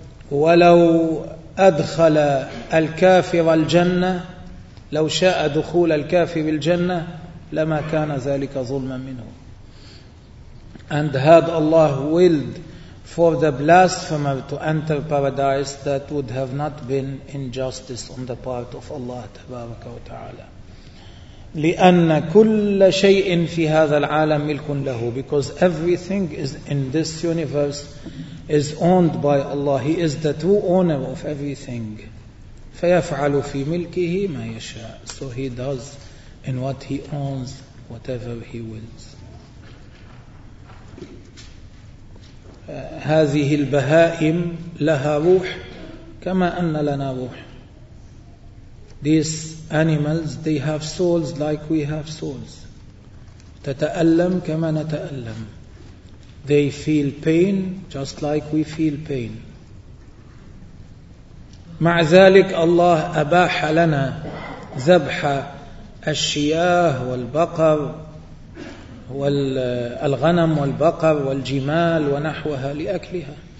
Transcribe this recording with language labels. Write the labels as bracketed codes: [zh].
[ar] ولو أدخل الكافر الجنة لو شاء دخول الكافر الجنة لما كان ذلك ظلما منه. [en] And had Allah willed for the blasphemer to enter paradise, that would have not been injustice on the part of Allah تبارك وتعالى. [ar] لأن كل شيء في هذا العالم ملك له. [en] Because everything is in this universe is owned by Allah. He is the true owner of everything. [ar] فيفعل في ملكه ما يشاء. [en] So he does in what he owns whatever he wills. [ar] هذه البهائم لها روح كما أن لنا روح. [en] These animals, they have souls like we have souls. [ar] تتألم كما نتألم. [en] They feel pain just like we feel pain. [ar] مع ذلك الله أباح لنا ذبح الشياه والبقر والغنم والبقر والجمال ونحوها لأكلها.